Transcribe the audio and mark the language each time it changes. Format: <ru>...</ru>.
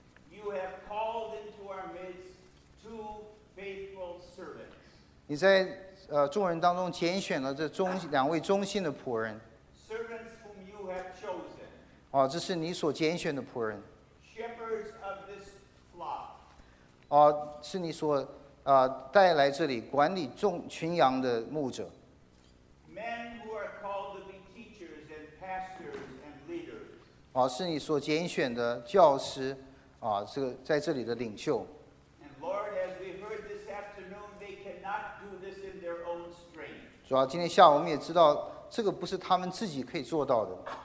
<en>You have called into our midst two faithful servants。</en> <zh>你在众人当中拣选了这两位忠心的仆人。</zh> <en>Servants whom you have chosen。</en> <zh>哦，这是你所拣选的仆人。</zh> <en>Shepherds of this flock。</en> <zh>哦，是你所带来这里管理众群羊的牧者。</zh> <en>Men who are called to be teachers and pastors and leaders。</en> <zh>哦，是你所拣选的教师啊，这个在这里的领袖。</zh> <en>And Lord, as we heard this afternoon, they cannot do this in their own strength。</en> <zh>主要今天下午我们也知道，这个不是他们自己可以做到的。</zh>